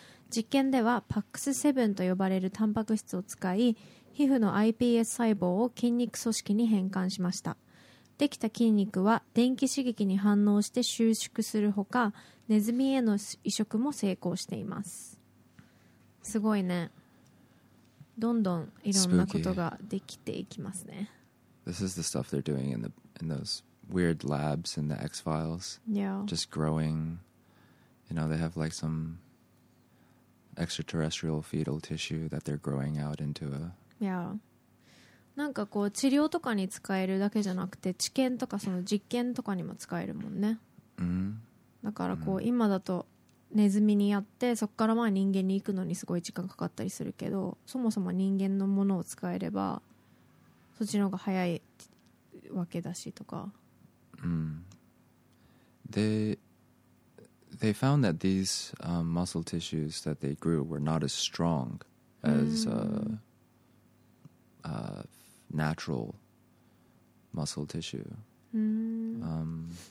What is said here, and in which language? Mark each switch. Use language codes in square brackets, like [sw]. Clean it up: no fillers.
[ja] 実験では PAX7 と呼ばれるタンパク質を使い、皮膚の iPS 細胞を筋肉組織に変換しました。できた筋肉は電気刺激に反応して収縮するほか、ネズミへの移植も成功しています。すごいね。どんどんいろんなことができていきますね。 [en] This is the stuff they're doing in those weird labs in the X-Files. Yeah. Just growing. You know, they have like some extraterrestrial fetal tissue that they're growing out into a... Yeah. [ja] なんかこう治療とかに使えるだけじゃなくて治験とかその実験とかにも使えるもんね、 mm-hmm. だからこう今だとネズミにやってそこからまあ人間に行くのにすごい時間かかったりするけどそもそも人間のものを使えればそっちの方が早いわけだしとか、 mm-hmm. [en] They found that these、muscle tissues that they grew were not as strong as、mm-hmm. Natural muscle tissue. Mm.